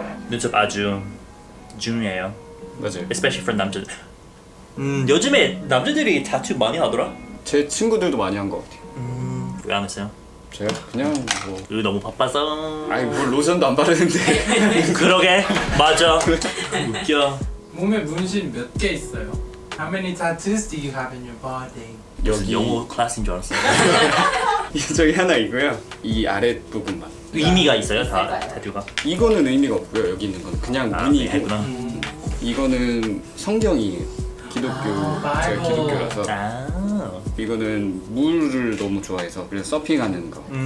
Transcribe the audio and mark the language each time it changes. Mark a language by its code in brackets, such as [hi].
[ko] 눈썹 아주 중요해요. 맞아요. [en] Especially for [ko] 남자들. 요즘에 남자들이 타투 많이 하더라? 제 친구들도 많이 한 것 같아요. 왜 안 했어요? 제가 그냥 뭐 으, 너무 바빠서. 아니 뭘 로션도 안 바르는데. 그러게. 맞아. 웃겨. 몸에 문신 몇 개 있어요? [en] How many tattoos do you have in your body? [ko] 여기 영어 클래스인 줄 알았어. 저기 하나 있고요. 이 아랫 부분만. 의미가 있어요? 다 대두가? 이거는 의미가 없고요. 여기 있는 건 그냥 문이에요. 아, 이거는 성경이에요. 기독교. 아, 제가 기독교라서. 아. 이거는 물을 너무 좋아해서 그래서 서핑하는 거.